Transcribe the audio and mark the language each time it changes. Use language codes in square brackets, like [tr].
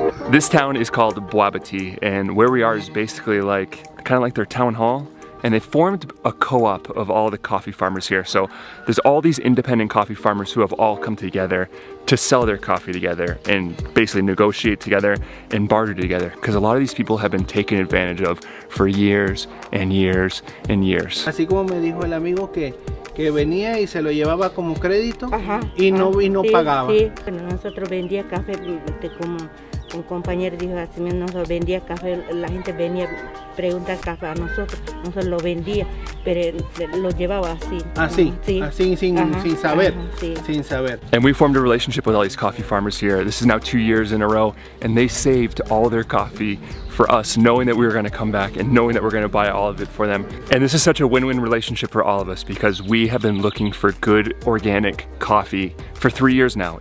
[en] This town is called Boabati, and where we are is basically like kind of like their town hall, and they formed a co-op of all the coffee farmers here. So there's all these independent coffee farmers who have all come together to sell their coffee together and basically negotiate together and barter together, because a lot of these people have been taken advantage of for years and years and years. [es] Así como me dijo el amigo que que venía y se lo llevaba como crédito. Ajá. Y no, y no sí, pagaba. Sí, bueno, nosotros vendía café, este, como un compañero dijo así, nosotros vendía café, la gente venía a preguntar café a nosotros, nosotros lo vendía, pero lo llevaba así. Así, sí. Así sin, ajá, sin saber, ajá, sí. Sin saber. [en] And we formed a relationship with all these coffee farmers here. This is now 2 years in a row, and they saved all their coffee for us, knowing that we were gonna come back and knowing that we're gonna buy all of it for them. And this is such a win-win relationship for all of us, because we have been looking for good organic coffee for 3 years now.